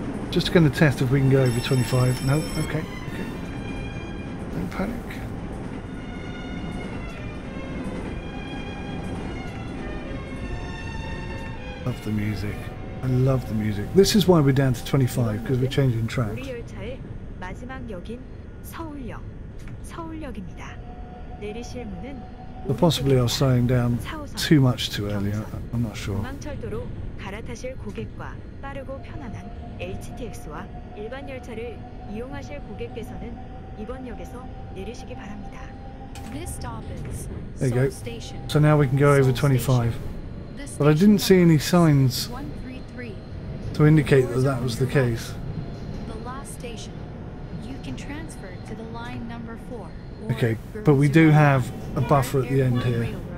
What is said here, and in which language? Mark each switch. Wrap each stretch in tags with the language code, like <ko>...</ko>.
<en>Just going to test if we can go over 25. No, okay. Don't panic. Love the music. I love the music. This is why we're down to 25, because we're changing tracks.</en> <ko>우리 열차의 마지막 역인 서울역, 서울역입니다. 내리실 문은</ko> <en>So possibly I was slowing down too much too early. I'm not sure.</en> <ko>중앙철도로 갈아타실 고객과 빠르고 편안한 HTX와 일반 열차를 이용하실 고객께서는 이번 역에서 내리시기 바랍니다.</ko> <en>This stop is Seoul Station. So now we can go over 25. But I didn't see any signs to indicate that that was the case. The last station. You can transfer to the line number 4. Okay, but we do have a buffer at the end here.</en>